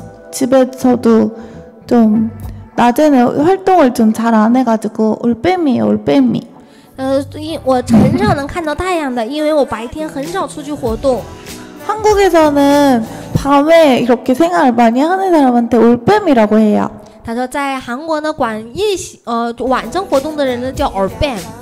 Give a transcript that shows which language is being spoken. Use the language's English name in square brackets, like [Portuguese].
[Korean] 집에서도 좀 낮에는 활동을 좀 잘 안 해가지고 올빼미예요, 올빼미. [Chinese] 我很少能看到太阳的，因为我白天很少出去活动。 [Korean] 한국에서는 밤에 이렇게 생활을 많이 하는 사람한테 올빼미라고 해요. [Chinese] 他说在韩国呢，管夜晚上活动的人呢叫올빼미。